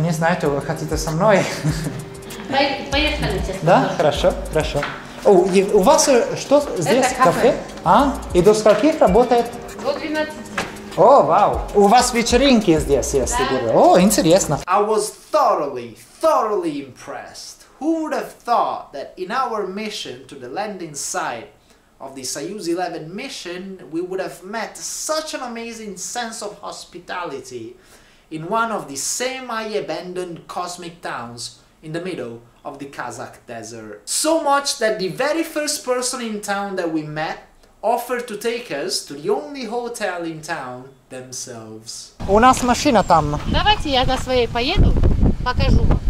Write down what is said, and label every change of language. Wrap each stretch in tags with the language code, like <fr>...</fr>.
<ru>Не знаете, вы хотите со мной? Поехали, честно. Да, хорошо, хорошо. У вас что здесь? Это кафе. А? И до скольки работает? До 12. О, вау! У вас вечеринки здесь, если да. Говорю. О, интересно.</ru> <en>I was thoroughly impressed. Who would have thought that in our mission to the landing site of the Soyuz 11 mission, we would have met such an amazing sense of hospitality in one of the semi-abandoned cosmic towns in the middle of the Kazakh desert. So much that the very first person in town that we met offered to take us to the only hotel in town themselves.</en> <ru>У нас машина там. Давайте я на своей поеду, покажу.</ru>